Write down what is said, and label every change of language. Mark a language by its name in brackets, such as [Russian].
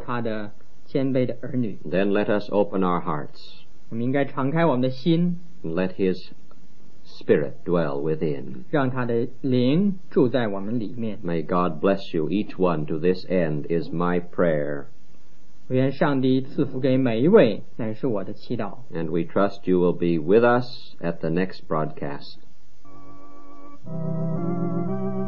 [Chinese] 祈求他再度的收纳我们做他的谦卑的儿女。 [English] Then let us open our hearts. [Chinese] 我们应该敞开我们的心。 [English] And let his Spirit dwell within. [Chinese] 让他的灵住在我们里面。 [English] May God bless you each one to this end is my prayer. [Chinese] 愿上帝赐福给每一位，乃是我的祈祷。 [English] And we trust you will be with us at the next broadcast.